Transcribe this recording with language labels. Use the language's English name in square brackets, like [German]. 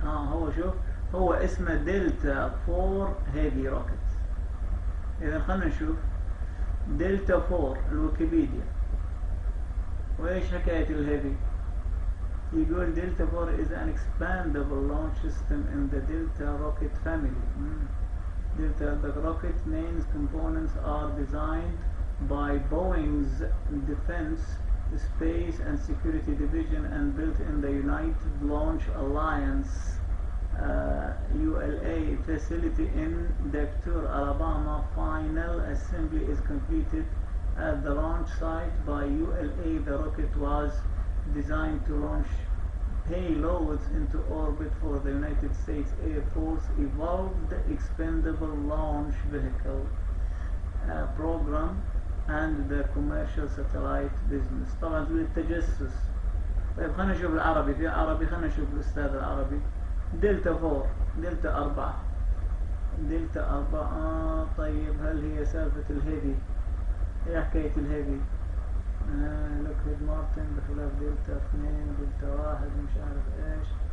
[Arabic] هو شوف، هو اسمه دلتا فور هيفي روكت. اذا خلنا نشوف دلتا فور الويكيبيديا، وايش حكاية الهيفي؟ يقول دلتا فور [English] is an expandable launch system in the delta rocket family. Delta rocket main components are designed by Boeing's Defense Space and Security Division and built in the United Launch Alliance ULA facility in Decatur, Alabama. Final assembly is completed at the launch site by ULA. The rocket was designed to launch payloads into orbit for the United States Air Force Evolved Expendable Launch Vehicle Program and the Commercial Satellite Business. [Arabic] طبعا تقول التجسس. طيب خلينا نشوف العربي، في عربي، خلينا نشوف الأستاذ العربي. دلتا 4، دلتا 4، دلتا 4. طيب هل هي سالفة الهيفي؟ هي حكاية الهيفي. لوكهيد مارتن بخلاف دلتا 2 دلتا 1 مش عارف ايش.